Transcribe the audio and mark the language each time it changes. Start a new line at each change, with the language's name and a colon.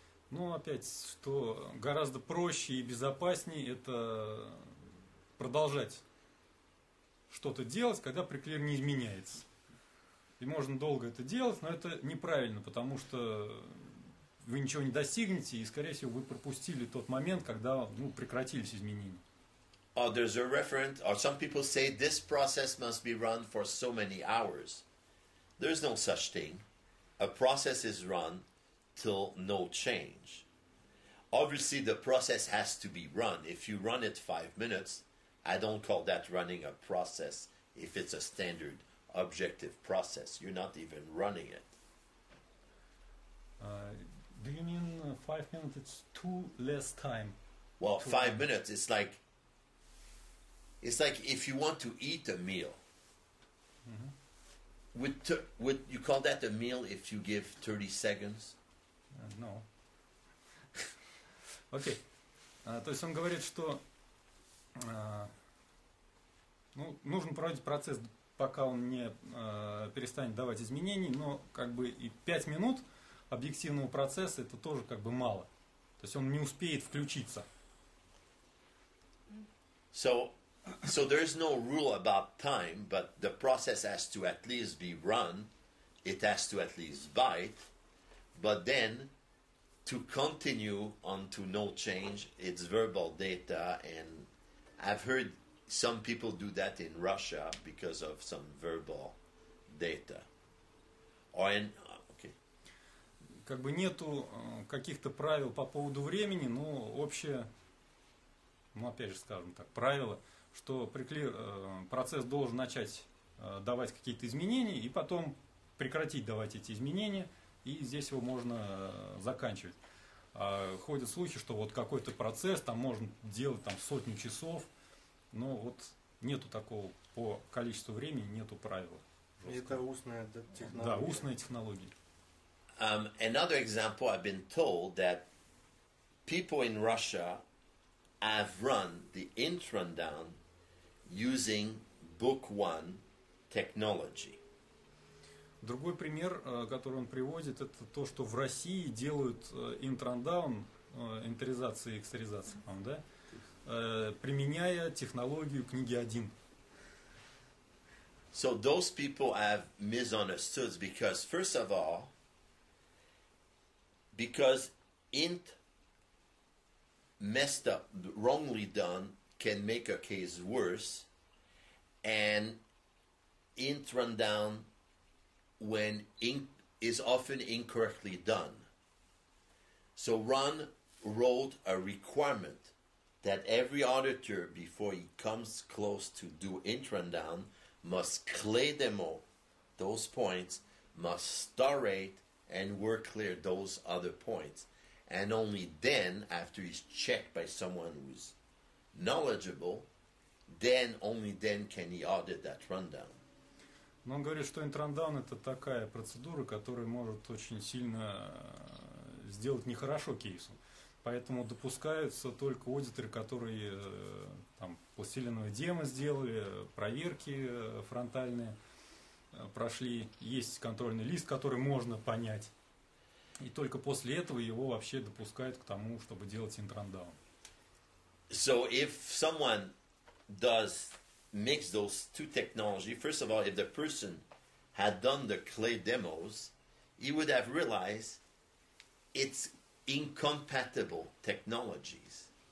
Russian: Ну, опять, что гораздо проще и безопаснее, это продолжать что-то делать, когда приклир не изменяется. И можно долго это делать, но это неправильно, потому что вы ничего не достигнете, и, скорее всего, вы пропустили тот момент, когда прекратились изменения.
English: Oh, there's a reference, or some people say this process must be run for so many hours. There's no such thing. A process is run till no change. Obviously, the process has to be run. If you run it 5 minutes, I don't call that running a process if it's a standard objective process. You're not even running it. Do you mean 5 minutes? It's too less time. Well, 5 minutes, it's like if you want to eat a meal. Mm-hmm. Would you call that a meal if you give 30 seconds? No. Окей.
Russian: То есть он говорит, что нужно проводить процесс, пока он не перестанет давать изменений, но как бы и 5 минут объективного процесса это тоже как бы мало. То есть он не успеет включиться.
English: So there is no rule about time, but the process has to at least be run, it has to at least bite. But then, to continue on to no change, it's verbal data, and I've heard Some people do that in Russia because of some verbal data. Or in, okay.
Russian: Как бы нету каких-то правил по поводу времени, но общее, ну опять же, скажем так, правило, что процесс должен начать давать какие-то изменения и потом прекратить давать эти изменения, и здесь его можно заканчивать. А ходят слухи, что вот какой-то процесс там можно делать там сотню часов, но вот нету такого по количеству времени, нету правила. Это устная технология. Да, устная технология.
English: Another example, I've been told that people in Russia have run the intrandown using book one technology.
Russian: Другой пример, который он приводит, это то, что в России делают интрандаун, интеризация и экстеризация, по-моему, да? Применяя технологию книги 1.
English: So those people have misunderstood because, first of all, because int messed up, wrongly done, can make a case worse, and int rundown when ink is often incorrectly done. So Ron wrote a requirement that every auditor, before he comes close to do int rundown, must clear them all, those points, must starate and work clear those other points. And only then, after he's checked by someone who's knowledgeable, then, only then can he audit that rundown.
Russian: Но он говорит, что интрандаун — это такая процедура, которая может очень сильно сделать нехорошо кейсу. Поэтому допускаются только аудиторы, которые там пластилиновое демо сделали, проверки фронтальные прошли, есть контрольный лист, который можно понять. И только после этого его вообще допускают к тому, чтобы делать интрандаун.
English: So if someone does mix those two technologies, first of all, if the person had done the clay demos, he would have realized it's incompatible technologies.